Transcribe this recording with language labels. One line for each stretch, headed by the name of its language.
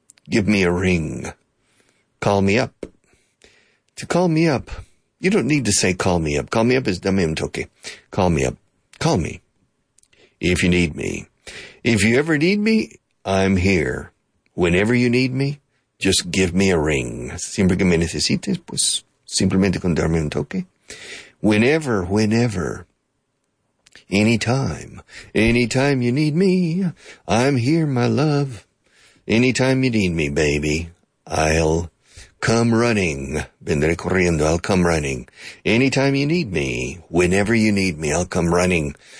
English: Give me a ring. Call me up. To call me up, you don't need to say call me up. Call me up is
Spanish: dame un toque.
English: Call me up. Call me if you need me. If you ever need me, I'm here. Whenever you need me, just give me a ring.
Spanish: Siempre que me necesites, pues simplemente con darme un toque.
English: Whenever, whenever, anytime, anytime you need me, I'm here, my love. Anytime you need me, baby, I'll come running.
Spanish: Vendré corriendo,
English: I'll come running. Anytime you need me, whenever you need me, I'll come running.